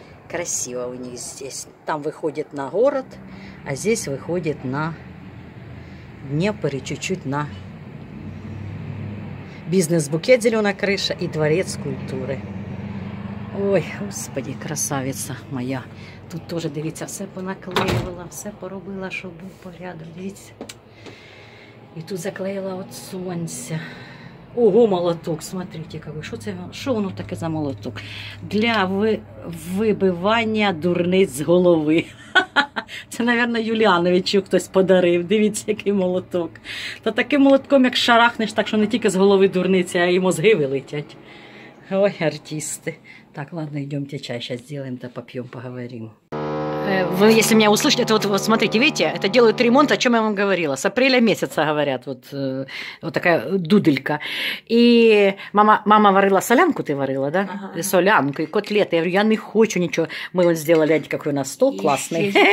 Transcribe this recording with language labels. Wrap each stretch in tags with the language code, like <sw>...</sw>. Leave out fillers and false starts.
<ru>Красиво у них здесь. Там выходит на город, а здесь выходит на Днепр и чуть-чуть на бизнес-букет «Зеленая крыша» и дворец культуры. Ой, господи, красавица моя. Тут тоже, дивіться, все понаклеивала, все порубила, чтобы был порядок. Дивіться. И тут заклеила от сонця. Ого, молоток, смотрите, какой.</ru> <uk>Що це? Що воно таке за молоток? Для вибивання дурниць з голови. Це, мабуть, Юліановичу хтось подарив. Дивіться, який молоток. Та таким молотком, як шарахнеш, так що не тільки з голови дурниці, а й мозги вилетять. Ой, артисти. Так, ладно, йдемте чай, зараз зробимо та поп'ємо, поговоримо.</uk> <ru>Вы, если меня услышите, это вот, вот смотрите, видите, это делают ремонт, о чем я вам говорила, с апреля месяца, говорят, вот, вот такая дуделька. И мама варила солянку, ты варила, да? Ага. Солянку, и котлеты. Я говорю, я не хочу ничего. Мы вот сделали, видите, какой у нас стол классный.</ru>